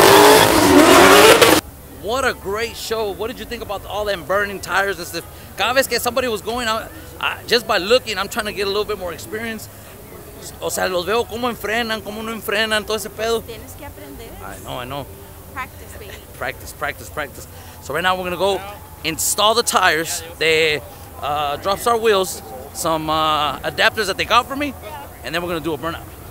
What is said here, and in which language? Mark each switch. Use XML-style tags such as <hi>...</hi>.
<en>What did you think about all them burning tires and stuff?</en> <es>Cada vez que</es> <en>somebody was going out, just by looking, I'm trying to get a little bit more experience.</en> <es>O sea, los veo como no enfrenan, todo ese pedo. Tienes que aprender.</es> <en>I know. Practice, baby. Practice. So right now we're going to go install the tires, Dropstar wheels, some adapters that they got for me, and then we're going to do a burnout.</en>